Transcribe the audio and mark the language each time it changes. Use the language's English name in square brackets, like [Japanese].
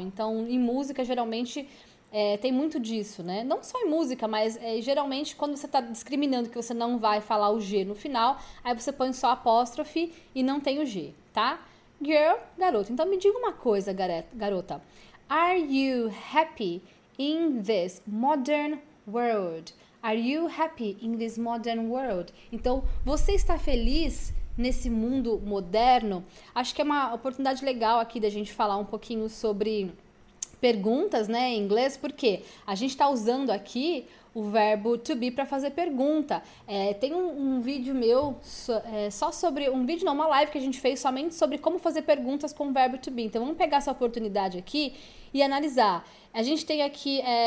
[Portuguese] Então, em música, geralmente, tem muito disso, né? Não só em música, mas geralmente quando você está discriminando que você não vai falar o G no final, aí você põe só apóstrofe e não tem o G, tá? Girl, garota. Então, me diga uma coisa, garota. [English] Are you happy in this modern world? Are you happy in this modern world? [Portuguese] Então, você está feliz nesse mundo moderno? Acho que é uma oportunidade legal aqui da gente falar um pouquinho sobre perguntas, né, em inglês, porque a gente está usando aqui o verbo to be para fazer pergunta. Tem um vídeo meu só sobre um vídeo, não, uma live que a gente fez somente sobre como fazer perguntas com o verbo to be. Então vamos pegar essa oportunidade aqui e analisar. A gente tem aqui